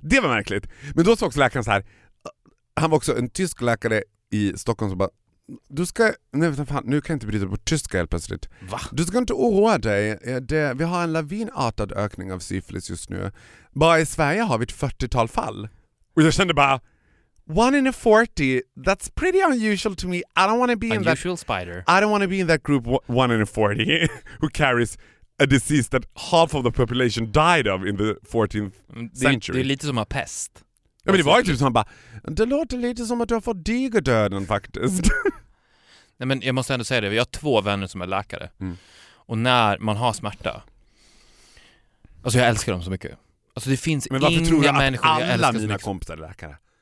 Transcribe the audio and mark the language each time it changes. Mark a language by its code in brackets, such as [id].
[sv] Det var märkligt, men då sa också läkaren så här, han var också en tysk läkare i Stockholm, som bara, du ska, nej, fan, nu kan jag inte bryta på tyska helt plötsligt. Va? Du ska inte oroa dig, vi har en lavinartad ökning av syfilis just nu, bara i Sverige har vi ett 40-tal fall. Och jag kände bara, [en] one in a 40, that's pretty unusual to me. I don't want to be unusual in that... Unusual spider. I don't want to be in that group, one in a 40, who carries a disease that half of the population died of in the 14th century. [sv] Det är lite som en pest. Ja, men det var ju som bara, det låter lite som att du har fått diga döden faktiskt. Nej, men jag måste ändå säga det. Jag har två vänner som är läkare. Mm. Och när man har smärta... Alltså, jag älskar dem så mycket. Alltså, det finns inga människor jag älskar så mycket. Men varför tror du att alla mina kompisar är läkare?